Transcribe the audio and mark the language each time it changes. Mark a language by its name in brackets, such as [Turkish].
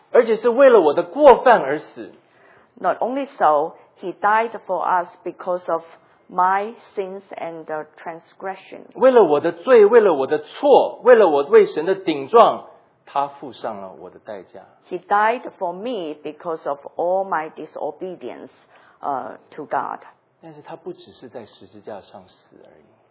[Chinese] 而且是为了我的过犯而死, [English] Not only so, he died for us because of my sins and transgression. [Chinese] 为了我的罪, 为了我的错, 为了我为神的顶撞, 他付上了我的代价。 [English] He died for me because of all my disobedience to God. [Chinese] 但是他不只是在十字架上死而已。